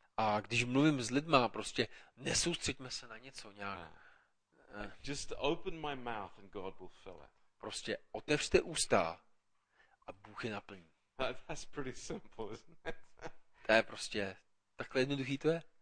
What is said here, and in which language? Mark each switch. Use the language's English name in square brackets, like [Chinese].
[Czech] A když mluvím s lidma, prostě nesoustřeďme se na něco nějak. [English] Just open my mouth and God will fill it. [Czech] Prostě otevřte ústa a Bůh je naplní. [English] That's pretty simple, isn't it? [Czech] To je prostě takhle jednoduchý to je.